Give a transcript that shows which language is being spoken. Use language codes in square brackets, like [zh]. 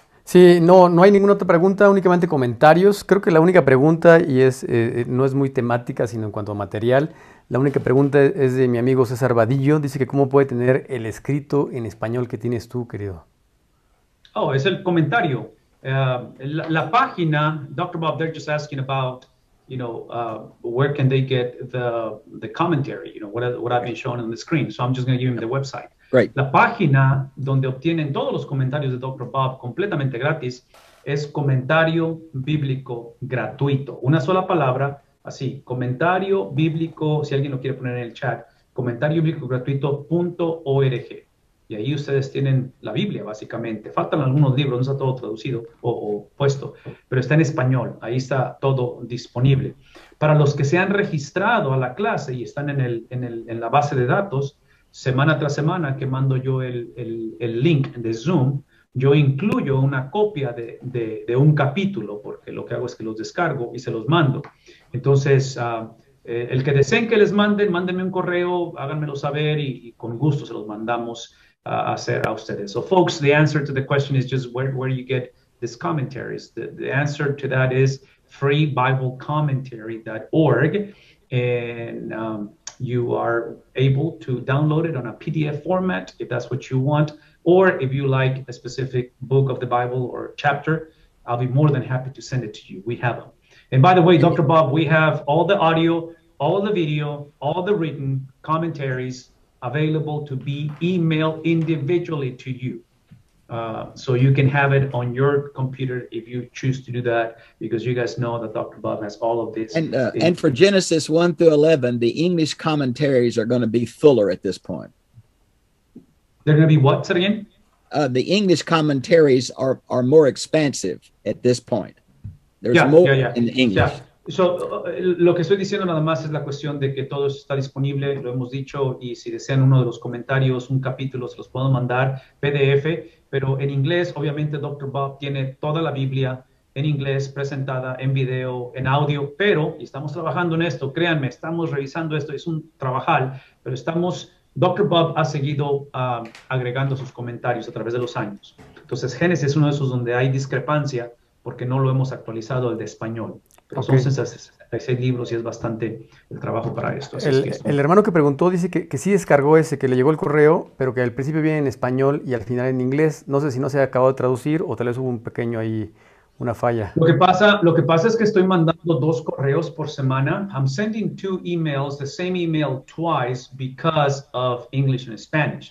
[es] Sí, no, no hay ninguna otra pregunta, únicamente comentarios. Creo que la única pregunta, y es no es muy temática, sino en cuanto a material, la única pregunta es de mi amigo César Vadillo. Dice que cómo puede tener el escrito en español que tienes tú, querido. Oh, es el comentario. La página, Dr. [en] Bob, they're just asking about, where can they get the commentary, what I've been showing on the screen. So I'm just going to give him the website. Great. [es] La página donde obtienen todos los comentarios de Dr. Bob completamente gratis es comentario bíblico gratuito. Una sola palabra, así, comentario bíblico, si alguien lo quiere poner en el chat, comentario bíblico gratuito punto org. Y ahí ustedes tienen la Biblia, básicamente. Faltan algunos libros, no está todo traducido o puesto, pero está en español. Ahí está todo disponible. Para los que se han registrado a la clase y están en en la base de datos, semana tras semana que mando yo el link de Zoom, yo incluyo una copia de un capítulo, porque lo que hago es que los descargo y se los mando. Entonces, el que deseen que les manden, mándenme un correo, háganmelo saber y con gusto se los mandamos a hacer a ustedes. [en] So, folks, the answer to the question is just where you get these commentaries. The answer to that is freebiblecommentary.org. And you are able to download it on a PDF format if that's what you want, or if you like a specific book of the Bible or chapter, I'll be more than happy to send it to you. We have them. And by the way, Dr. Bob, we have all the audio, all the video, all the written commentaries available to be emailed individually to you. So you can have it on your computer if you choose to do that, because you guys know that Dr. Bob has all of this And for Genesis 1 through 11, the English commentaries are going to be fuller at this point. They're going to be what? Say it again? The English commentaries are more expansive at this point. There's more in English. [es] Yeah. So, lo que estoy diciendo nada más es la cuestión de que todo está disponible, lo hemos dicho, y si desean uno de los comentarios, un capítulo, se los puedo mandar, PDF, pero en inglés, obviamente, Dr. Bob tiene toda la Biblia en inglés, presentada en video, en audio, pero, y estamos trabajando en esto, créanme, estamos revisando esto, es un trabajal, pero estamos... Dr. Bob ha seguido agregando sus comentarios a través de los años. Entonces, Génesis es uno de esos donde hay discrepancia porque no lo hemos actualizado al de español. Pero okay. Son 66 libros y es bastante el trabajo para esto. El hermano que preguntó dice que sí descargó ese, que le llegó el correo, pero que al principio viene en español y al final en inglés. No sé si no se ha acabado de traducir o tal vez hubo un pequeño ahí, una falla. Lo que pasa es que estoy mandando dos correos por semana. [en] I'm sending two emails, the same email twice because of English and Spanish.